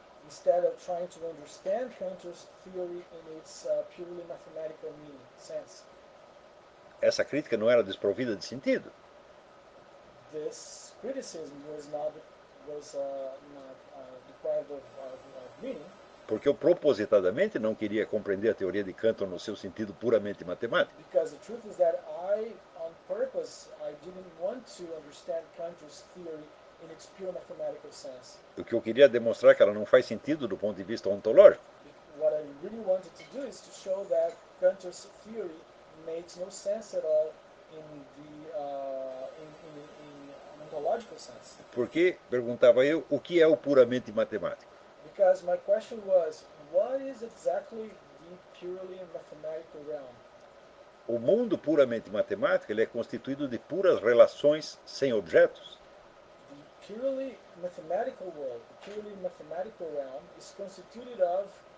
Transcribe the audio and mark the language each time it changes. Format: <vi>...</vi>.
<en>Instead of trying to understand Cantor's theory in its purely mathematical meaning sense.</en> <pt>Essa crítica não era desprovida de sentido.</pt> <en>This criticism was not deprived of meaning.</en> <pt>Porque eu propositadamente não queria compreender a teoria de Cantor no seu sentido puramente matemático.</pt> <en>Because the truth is that I, on purpose, I didn't want to understand Cantor's theory in its pure mathematical sense.</en> <pt>O que eu queria demonstrar é que ela não faz sentido do ponto de vista ontológico.</pt> <en>What I really wanted to do is to show that Cantor's theory makes no sense at all in the in ontological sense.</en> <pt>Porque, perguntava eu, o que é o puramente matemático?</pt> <en>Because my question was, what is exactly the purely mathematical realm?</en> <pt>O mundo puramente matemático, ele é constituído de puras relações sem objetos.</pt> <en>The purely mathematical world, the purely mathematical realm is constituted of</en>